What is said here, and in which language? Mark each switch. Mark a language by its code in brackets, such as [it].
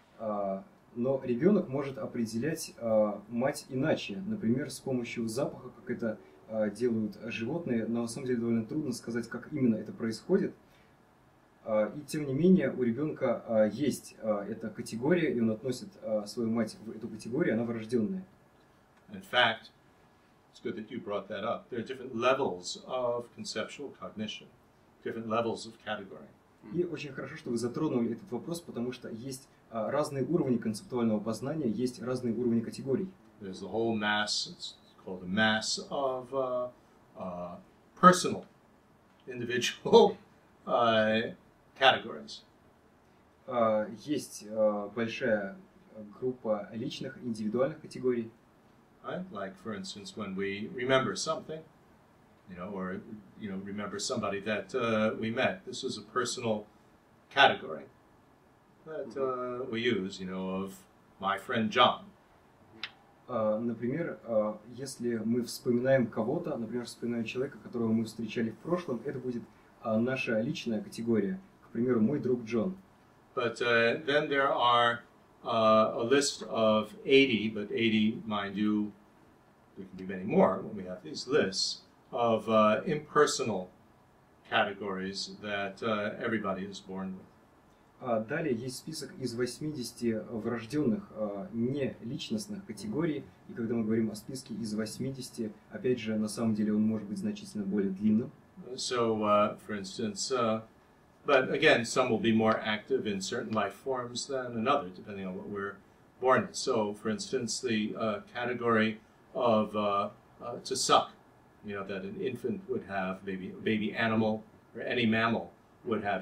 [ru] Но ребенок может определять мать иначе. Например, с помощью запаха, как это делают животные. Но на самом деле довольно трудно сказать, как именно это происходит. И тем не менее, у ребенка есть эта категория, и он относит свою мать в эту категорию, она врожденная. [en] In fact, it's good that you brought that up. There are different levels of conceptual cognition. Different levels of category. [ru] И очень хорошо, что вы затронули этот вопрос, потому что есть разные уровни концептуального познания, есть разные уровни категорий. [en] There's a whole mass, it's called a mass of personal, individual categories. [ru] Есть большая группа личных, индивидуальных категорий. [en] Right? Like, for instance, when we remember something. You know, or you know, remember somebody that we met. This is a personal category that we use. You know, of my friend John. [ru] Например, если мы вспоминаем кого-то, например, вспоминаем человека, которого мы встречали в прошлом, это будет наша личная категория. К примеру, мой друг Джон. [en] But then there are a list of 80, but 80, mind you, there can be many more when we have these lists. Of impersonal categories that everybody is born with. Далее есть список из 80 врожденных не личностных категорий, и когда мы говорим о списке из 80, опять же, на самом деле он может быть значительно более длинным. So, for instance, but again, some will be more active in certain life forms than another, depending on what we're born with. So, for instance, the category of to suck. You know, that an infant would have, maybe a baby animal, or any mammal would have.